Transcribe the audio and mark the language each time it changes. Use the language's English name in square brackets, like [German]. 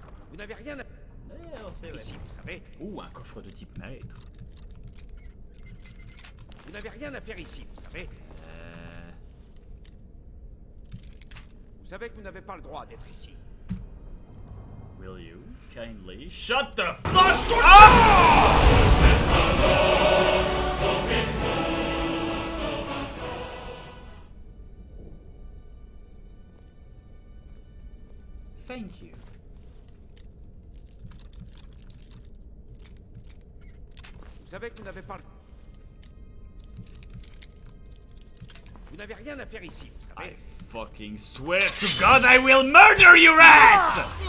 [French] Vous n'avez rien à... Ici, vous savez. Ouh, un coffre de type maître. Vous n'avez rien à faire ici, vous savez. Vous savez que vous n'avez pas le droit d'être ici. [English] Will you kindly shut the fuck up? Thank you. [French] Vous savez que vous n'avez pas. Vous n'avez rien à faire ici, vous savez. [English] I fucking swear to God I will murder your ass!